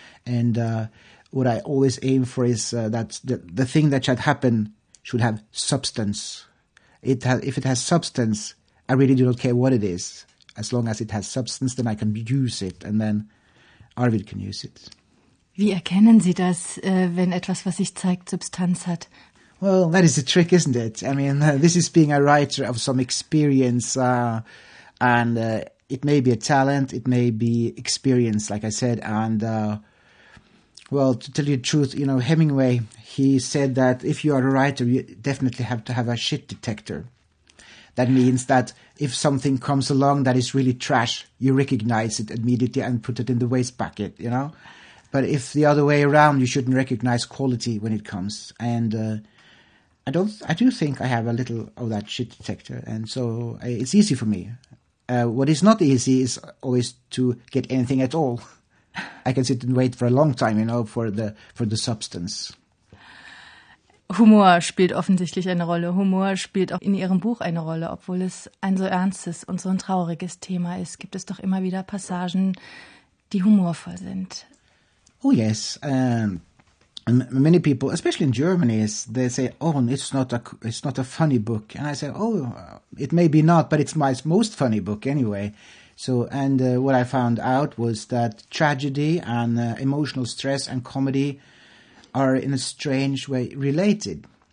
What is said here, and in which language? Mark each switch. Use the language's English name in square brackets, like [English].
[English] And what I always aim for is that the thing that should happen should have substance. If it has substance, I really do not care what it is. As long as it has substance, then I can use it, and then Arvid can use it. [German] Wie erkennen Sie das, wenn etwas, was sich zeigt, Substanz hat? [English] Well, that is a trick, isn't it? I mean, this is being a writer of some experience, and it may be a talent, it may be experience, like I said. And, well, to tell you the truth, you know, Hemingway, he said that if you are a writer, you definitely have to have a shit detector. That means that if something comes along that is really trash, you recognize it immediately and put it in the waste bucket, you know? But if the other way around, you shouldn't recognize quality when it comes. And... I do think I have a little of that shit detector, and so it's easy for me. What is not easy is always to get anything at all. I can sit and wait for a long time, you know, for the substance. [German] Humor spielt offensichtlich eine Rolle. Humor spielt auch in Ihrem Buch eine Rolle, obwohl es ein so ernstes und so ein trauriges Thema ist. Gibt es doch immer wieder Passagen, die humorvoll sind. [English] Oh yes. Many people, especially in Germany, they say, oh, it's not a funny book. And I say, oh, it may be not, but it's my most funny book anyway. So, and what I found out was that tragedy and emotional stress and comedy are in a strange way related.